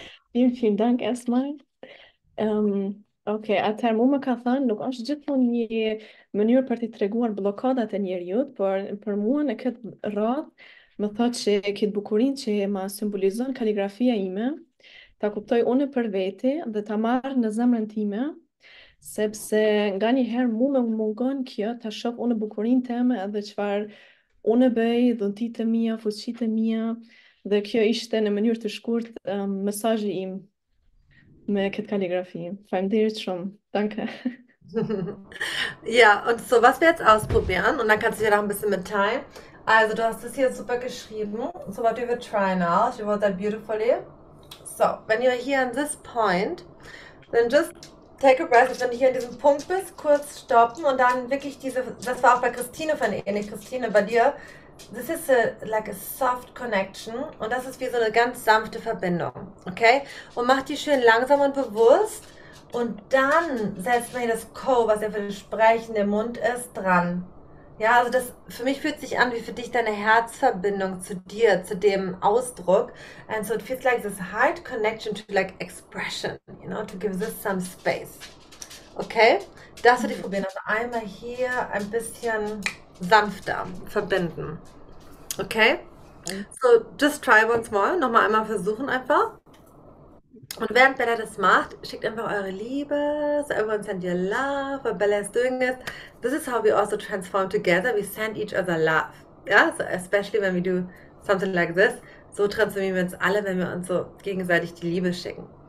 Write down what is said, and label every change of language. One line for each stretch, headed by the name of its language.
German: Vielen, vielen Dank erstmal.
Albanian: Okay, a ten mumma kathan, nuk është gjithmonë një mënyrë për t'i treguar blokadat e njeriut, për mua në këtë radhë më thotë që këtë bukurinë që ma simbolizon kaligrafia ime, ta kuptoj unë për vete dhe ta marrë në zemrën time, sepse nga një herë mu më mungon kjo, ta shof unë bukurinë teme dhe qëfar unë bëj, dhuntit të mija, fuqit të mija, dhe kjo ishte në mënyrë të shkurt mesajë im. Me këtë kaligrafi. Faleminderit shumë.
German: Danke. Ja, und so, was wir jetzt ausprobieren, und dann kannst du dir noch ein bisschen mitteilen. Also, du hast das hier super geschrieben.
English: So, what do we try now? She wrote that beautifully. So, when you're here in this point, then just take a breath.
German: Und wenn du hier in diesem Punkt bist, kurz stoppen und dann wirklich das war auch bei Christine von ähnlich.
English: Christine,
German: bei dir,
English: this is like a soft connection.
German: Und das ist wie so eine ganz sanfte Verbindung. Okay? Und mach die schön langsam und bewusst. Und dann setzt man hier das Ko, was ja für das Sprechen der Mund ist, dran. Ja, also das für mich fühlt sich an wie für dich deine Herzverbindung zu dir, zu dem Ausdruck.
English: And so it feels like this heart connection to like expression, you know, to give this some space.
German: Okay? Das würde ich probieren. Also einmal hier ein bisschen sanfter verbinden.
English: Okay? So just try once more.
German: Nochmal einmal versuchen einfach. Und während Bella das macht, schickt einfach eure Liebe.
English: So everyone send your love. While Bella is doing this. This is how we also transform together. We send each other love. Ja, so especially when we do something like this.
German: So transformieren wir uns alle, wenn wir uns so gegenseitig die Liebe schicken.